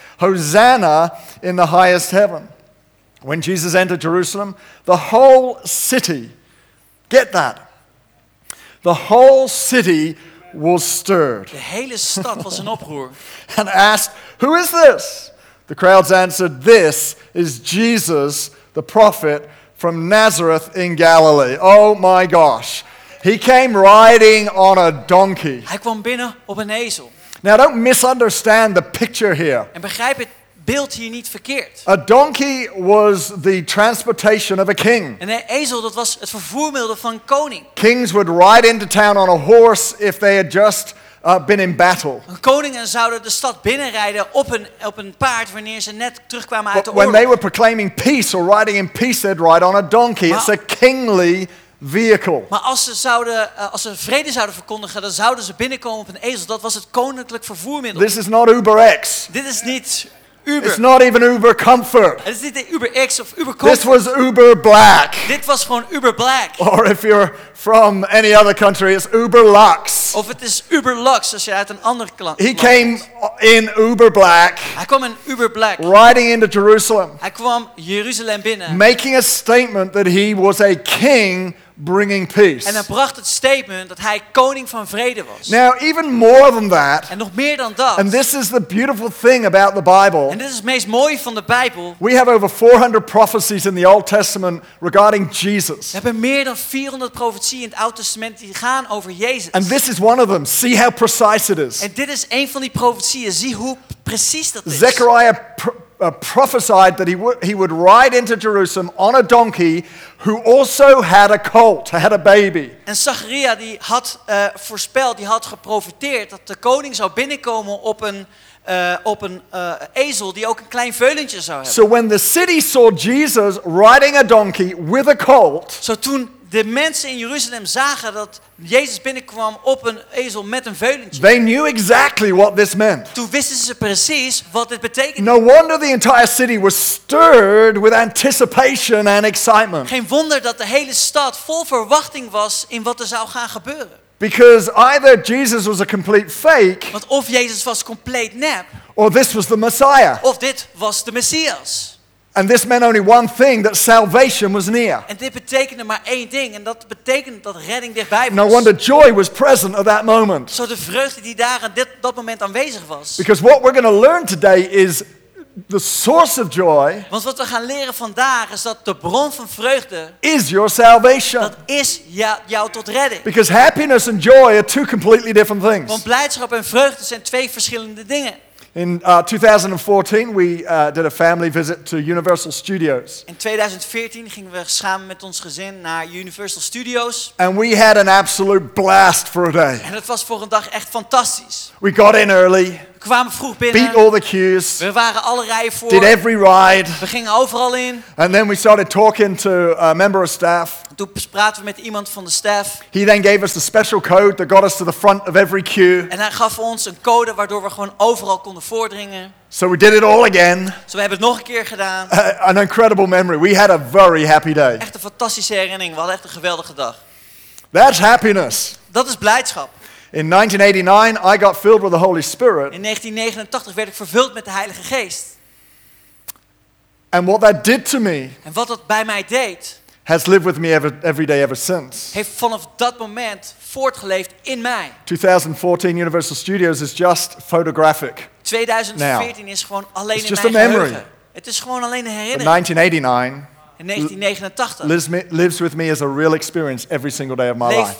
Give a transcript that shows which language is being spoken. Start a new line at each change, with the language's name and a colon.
English: Hosanna in the highest heaven. When Jesus entered Jerusalem, the whole city, get that, the whole city was stirred.
Dutch: De hele stad was in oproer.
English: And asked, who is this? The crowds answered, this is Jesus, the prophet from Nazareth in Galilee. Oh my gosh. He came riding on a donkey.
Dutch: Hij kwam binnen op een ezel.
English: Now don't misunderstand the picture here.
Dutch: En begrijp het beeld hier niet verkeerd.
English: A donkey was the transportation of a king.
Dutch: En een ezel, dat was het vervoermiddel van koning.
English: Kings would ride into town on a horse if they had just been in battle.
Dutch: Koningen zouden de stad binnenrijden op een paard wanneer ze net terugkwamen uit de oorlog.
English: When they were proclaiming peace or riding in peace, they'd ride on a donkey. It's a kingly vehicle.
Dutch: Maar als ze vrede zouden verkondigen, dan zouden ze binnenkomen op een ezel. Dat was het koninklijk vervoermiddel.
English: This is not Uber X.
Dutch: Dit is niet Uber.
English: It's not even Uber Comfort.
Dutch: Het is niet Uber X of Uber Comfort.
English: This was Uber Black.
Dutch: Dit was gewoon Uber Black.
English: Or if you're from any other country, it's Uber Lux.
Dutch: Of het is Uber Lux als je uit een ander klant.
English: He came in Uber Black.
Dutch: Hij kwam in Uber Black.
English: Riding into Jerusalem.
Dutch: Hij kwam Jeruzalem binnen.
English: Making a statement that he was a king bringing peace.
Dutch: En hij bracht het statement dat hij koning van vrede was.
English: Now even more than that.
Dutch: En nog meer dan dat.
English: And this is the beautiful thing about the Bible.
Dutch: En dit is het meest mooie van de Bijbel.
English: We have over 400 prophecies in the Old Testament regarding Jesus.
Dutch: We hebben meer dan 400 profetieën in het Oude Testament die gaan over Jezus.
English: And this is one of them. See how precise it is.
Dutch: En dit is een van die profetieën. Zie hoe precies dat is.
English: Zechariah prophesied that he would ride into Jerusalem on a donkey who also had a colt, had a baby.
Dutch: En Zachariah die had voorspeld, die had geprofeteerd dat de koning zou binnenkomen op een ezel die ook een klein veulentje zou hebben.
English: So when the city saw Jesus riding a donkey with a colt,
Dutch: zo toen de mensen in Jeruzalem zagen dat Jezus binnenkwam op een ezel met een veulentje.
English: They knew exactly what this meant.
Dutch: Toen wisten ze precies wat dit betekende.
English: No wonder the entire city was stirred with anticipation and excitement.
Dutch: Geen wonder dat de hele stad vol verwachting was in wat er zou gaan gebeuren.
English: Because either Jesus was a complete fake.
Dutch: Want of Jezus was compleet nep.
English: Or this was the Messiah.
Dutch: Of dit was de Messias.
English: And this meant only one thing, that salvation was near.
Dutch: En dit betekende maar één ding, en dat betekende dat redding dichtbij was.
English: No wonder joy was present at that moment.
Dutch: Zo de vreugde die daar aan dat moment aanwezig was.
English: Because what we're going to learn today is the source of joy.
Dutch: Want wat we gaan leren vandaag is dat de bron van vreugde
English: is your salvation.
Dutch: Dat is jou tot redding.
English: Because happiness and joy are two completely different things.
Dutch: Want blijdschap en vreugde zijn twee verschillende dingen.
English: In 2014 we did a family visit to Universal Studios.
Dutch: In 2014 gingen we samen met ons gezin naar Universal Studios.
English: And we had an absolute blast for a day.
Dutch: En het was voor een dag echt fantastisch.
English: We got in early.
Dutch: We kwamen vroeg binnen.
English: Beat all the queues.
Dutch: We waren alle rijen voor.
English: Did every ride.
Dutch: We gingen overal in.
English: And then we started talking to a member of staff.
Dutch: Toen praten we met iemand van de staff.
English: He then gave us a special code that got us to the front of every queue.
Dutch: En hij gaf ons een code waardoor we gewoon overal konden voordringen.
English: So we did it all again.
Dutch: Zo we hebben het nog een keer gedaan.
English: An incredible memory. We had a very happy day.
Dutch: Echt een fantastische herinnering. We hadden echt een geweldige dag.
English: That's happiness.
Dutch: Dat is blijdschap.
English: In 1989 I got filled with the Holy Spirit.
Dutch: In 1989 werd ik vervuld met de Heilige Geest.
English: And what that did to me.
Dutch: En wat dat bij mij deed.
English: Has lived with me every day ever since.
Dutch: Heeft vanaf dat moment voortgeleefd in mij.
English: 2014 Universal Studios is just photographic.
Dutch: 2014
English: now.
Dutch: Is gewoon alleen
English: It's
Dutch: in
English: just
Dutch: mijn
English: a memory.
Dutch: Geheugen. Het is gewoon alleen een herinnering.
English: But 1989
Dutch: In 1989
English: lives with me as a real experience every single day of my life.